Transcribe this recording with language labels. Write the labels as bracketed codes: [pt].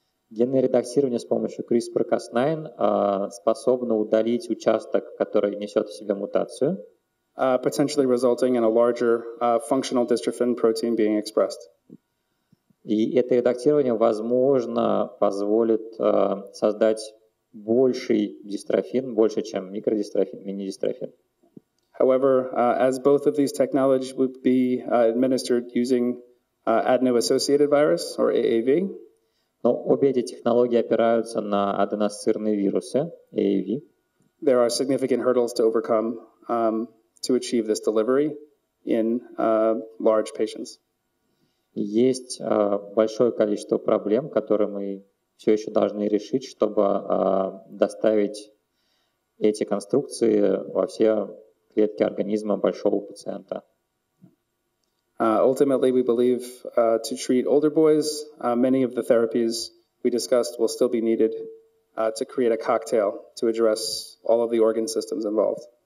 [ru] Генное редактирование с помощью CRISPR-Cas9 способно удалить участок, который несет в себе мутацию. [en] Potentially resulting in a larger functional dystrophin protein being expressed. [ru] И это редактирование, возможно, позволит создать больший дистрофин, больше, чем микродистрофин, мини-дистрофин. [en] However, as both of these technologies would be administered using adeno-associated virus, or AAV, [ru] но обе эти технологии опираются на аденоассоциированные вирусы, AAV. [en] There are significant hurdles to overcome to achieve this delivery in large patients. [ru] Есть большое количество проблем, которые мы все еще должны решить, чтобы доставить эти конструкции во все клетки организма большого пациента. [en] Ultimately, we believe to treat older boys, many of the therapies we discussed will still be needed to create a cocktail to address all of the organ systems involved.